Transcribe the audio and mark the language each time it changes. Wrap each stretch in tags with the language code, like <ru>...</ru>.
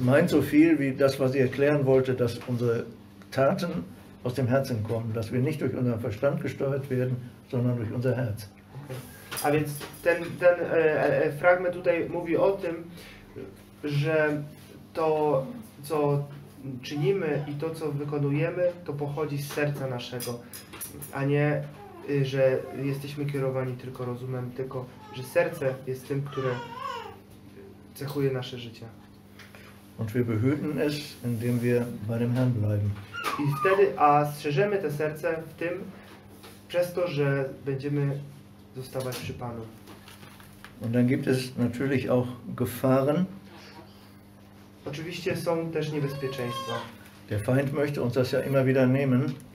<de>meint so viel wie das, was ich erklären wollte, dass unsere Taten aus dem Herzen kommen, dass wir nicht durch unseren Verstand gesteuert werden, sondern durch unser Herz.</de> <pl>Okay. A więc ten fragment tutaj mówi o tym, że to, co czynimy i to, co wykonujemy, to pochodzi z serca naszego, a nie, że jesteśmy kierowani tylko rozumem, tylko, że serce jest tym, które cechuje nasze życie.</pl> <de>Und wir behüten es, indem wir bei dem Herrn bleiben.</de> <pl>I wtedy, a strzeżemy te serce w tym, przez to, że będziemy zostawać przy Panu.</pl> <de>Und dann gibt es natürlich auch Gefahren.</de> <pl>Oczywiście są też niebezpieczeństwa.</pl> <de>Der Feind möchte uns das ja immer wieder nehmen.</de>